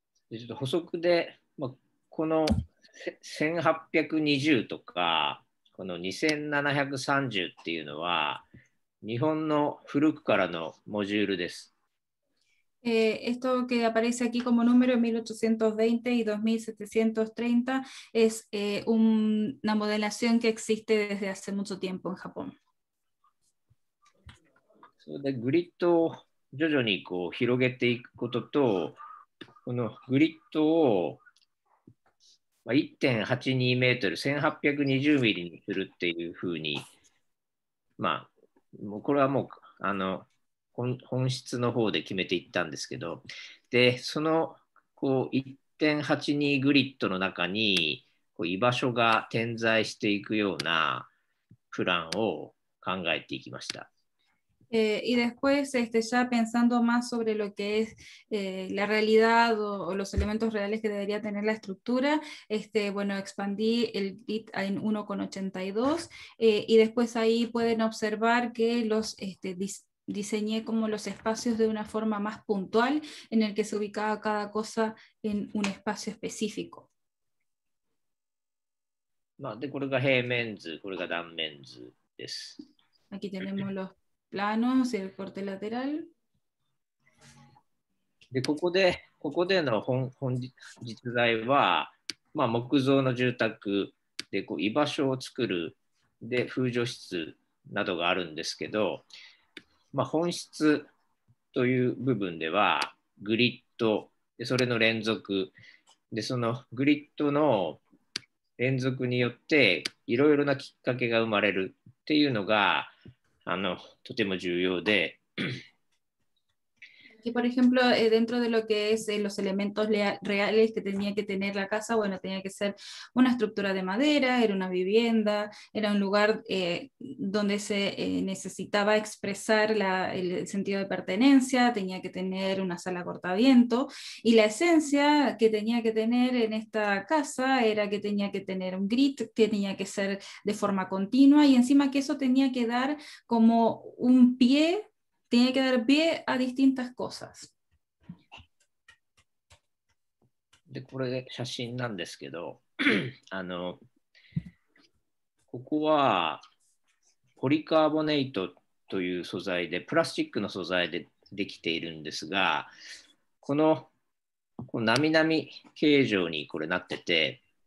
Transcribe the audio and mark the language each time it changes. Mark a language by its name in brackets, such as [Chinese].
[Japanese] ちょっと補足で、まあ、この1820とかこの2730っていうのは日本の古くからのモジュールです。 [Spanish] Esto que aparece aquí como número 1820 y 2730 es una modelación que existe desde hace mucho tiempo en Japón. [Japanese] De grid を徐々にこう広げていくことと、このグリッドを 1.82 メートル、1820ミリにするっていうふうに、まあ、これはもう、あの、本質の方で決めていったんですけど、で、そのこう 1.82 グリッドの中にこう居場所が点在していくようなプランを考えていきました。 [Spanish] Y después, ya pensando más sobre lo que es la realidad o los elementos reales que debería tener la estructura, bueno, expandí el grid en 1,82 y después ahí pueden observar que los diseñé como los espacios de una forma más puntual en el que se ubicaba cada cosa en un espacio específico. Aquí tenemos los planos y el corte lateral. [Japanese] でここでここでの 本実在は、まあ、木造の住宅でこう居場所を作るで風除室などがあるんですけど、まあ、本質という部分ではグリッドでそれの連続でそのグリッドの連続によっていろいろなきっかけが生まれるっていうのがとても重要で。 [Spanish] Que por ejemplo, dentro de lo que es los elementos reales que tenía que tener la casa, bueno, tenía que ser una estructura de madera, era una vivienda, era un lugar donde se necesitaba expresar el sentido de pertenencia, tenía que tener una sala cortaviento, y la esencia que tenía que tener en esta casa era que tenía que tener un grit, que tenía que ser de forma continua, y encima que eso tenía que dar como un pie tiene que dar pie a distintas cosas. [Japanese] De, これ写真なんですけど、ここはポリカーボネイトという素材で、プラスチックの素材でできているんですが、この並々形状にこれなってて、